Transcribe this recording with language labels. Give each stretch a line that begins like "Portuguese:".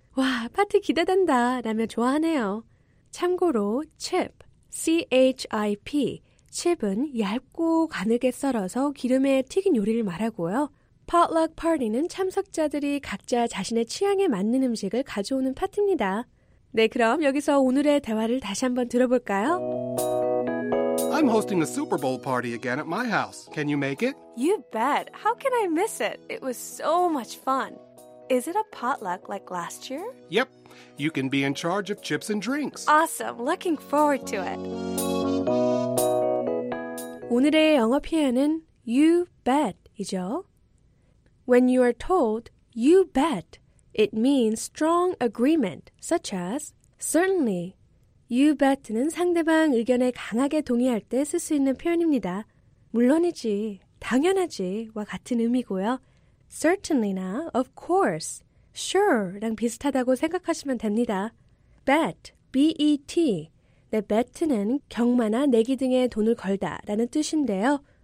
Korean: 와, 파티 기대된다 라며 좋아하네요. 참고로 칩, C-H-I-P, 칩은 얇고 가늘게 썰어서 기름에 튀긴 요리를 말하고요. Potluck Party는 참석자들이 각자 자신의 취향에 맞는 음식을 가져오는 파티입니다. 네, 그럼 여기서 오늘의 대화를 다시 한번 들어볼까요?
English: I'm hosting a Super Bowl party again at my house. Can you make it? You bet. How can I miss it? It was so much fun. Is it a potluck like last year? Yep. You can be in charge of chips and drinks. Awesome. Looking forward to it.
Korean: 오늘의 영어 표현은 you bet이죠.
English: When you are told you bet, it means strong agreement, such as certainly.
Korean: You bet는 상대방 의견에 강하게 동의할 때 쓸 수 있는 표현입니다. 물론이지, 당연하지와 같은 의미고요. Certainly나 of course, sure랑 비슷하다고 생각하시면 됩니다.
English: Bet, B-E-T.
Korean: 네, bet는 경마나 내기 등에 돈을 걸다 라는 뜻인데요.